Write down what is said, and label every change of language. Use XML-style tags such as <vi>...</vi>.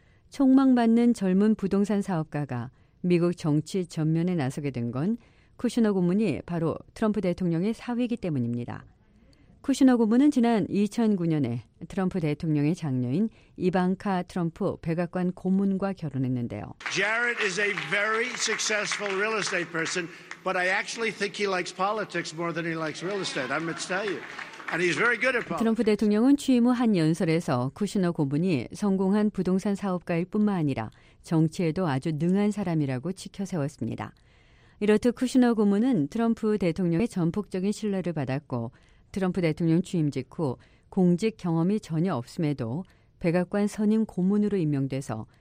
<ko>촉망받는 젊은 부동산 사업가가 미국 정치 전면에 나서게 된 건 쿠슈너 고문이 바로 트럼프 대통령의 사위이기 때문입니다. 쿠슈너 고문은 지난 2009년에 트럼프 대통령의 장녀인 이방카 트럼프 백악관 고문과 결혼했는데요.</ko> <en>Jared is a very successful real estate person, but I actually think he likes politics more than he likes real estate. I'm going to tell you.</en> <ko>트럼프 대통령은 취임 후 한 연설에서 쿠슈너 고문이 성공한 부동산 사업가일 뿐만 아니라 정치에도 아주 능한 사람이라고 치켜세웠습니다. 이렇듯 쿠슈너 고문은 트럼프 대통령의 전폭적인 신뢰를 받았고 트럼프 대통령 취임 직후 공직 경험이 전혀 없음에도 백악관 선임 고문으로 임명돼서</ko>